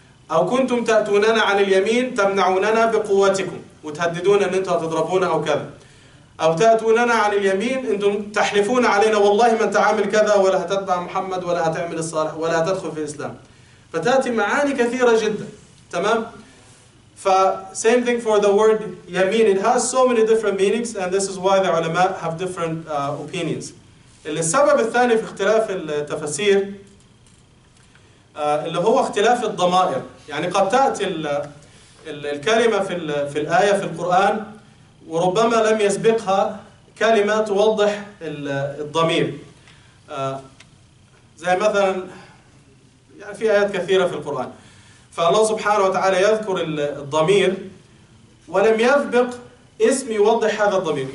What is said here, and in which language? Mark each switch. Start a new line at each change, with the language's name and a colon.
Arabic: أو كنتم تأتوننا عن اليمين تمنعوننا بقوتكم وتهددون أن أنتم تضربونا أو كذا، أو تأتوننا عن اليمين أنتم تحلفون علينا والله من تعامل كذا ولا هتتبع محمد ولا هتعمل الصالح ولا هتدخل في الإسلام. فتأتي معاني كثيرة جدا، تمام؟ ف
English: same thing for the word
Arabic: يمين.
English: It has so many different meanings and this is why the علماء have different opinions.
Arabic: السبب الثاني في اختلاف التفسير اللي هو اختلاف الضمائر، يعني قد تأتي الكلمة في الآية في القرآن وربما لم يسبقها كلمة توضح الضمير، زي مثلا يعني في آيات كثيرة في القرآن فالله سبحانه وتعالى يذكر الضمير ولم يسبق اسم يوضح هذا الضمير.